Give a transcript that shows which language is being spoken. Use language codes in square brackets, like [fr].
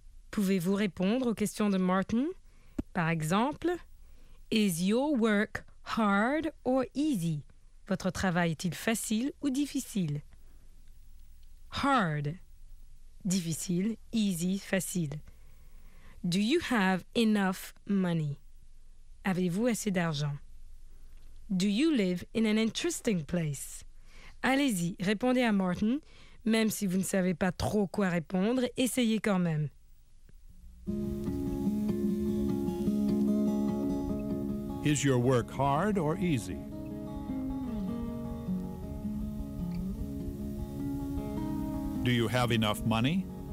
[fr] Pouvez-vous répondre aux questions de Martin? Par exemple, [en] is your work hard or easy? [fr] Votre travail est-il facile ou difficile? [en] Hard, difficile, easy, facile. Do you have enough money? [fr] Avez-vous assez d'argent? [en] Do you live in an interesting place? [fr] Allez-y, répondez à Martin. Même si vous ne savez pas trop quoi répondre, essayez quand même. [en] Is your work hard or easy? Do you have enough money?